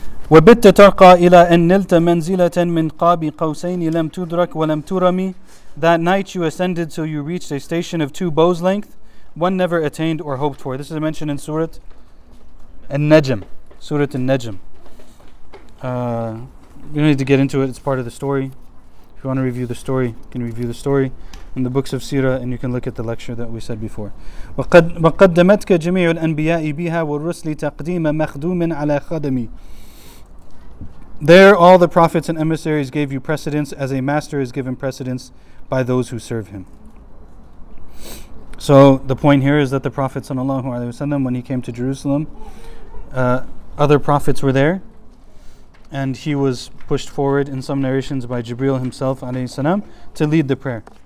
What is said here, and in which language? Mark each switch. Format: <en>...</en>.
<ar>وبت ترقى إلى أن نلت منزلة من قاب قوسين لم تدرك ولم ترمي.</ar> <en>That night you ascended till you reached a station of two bows length, one never attained or hoped for. This is mentioned in Surah An-Najm. Surah An-Najm. We don't need to get into it. It's part of the story. If you want to review the story, you can review the story in the books of Sirah, and you can look at the lecture that we said before.</en> <ar>وقدمتك جميع الأنبياء بها والرسل تقديم مخدوم على خدمي.</ar> <en>There all the prophets and emissaries gave you precedence as a master is given precedence by those who serve him. So the point here is that the Prophet sallallahu alaihi wasallam, when he came to Jerusalem, other prophets were there, and he was pushed forward in some narrations by Jibreel himself alayhi salam to lead the prayer.</en>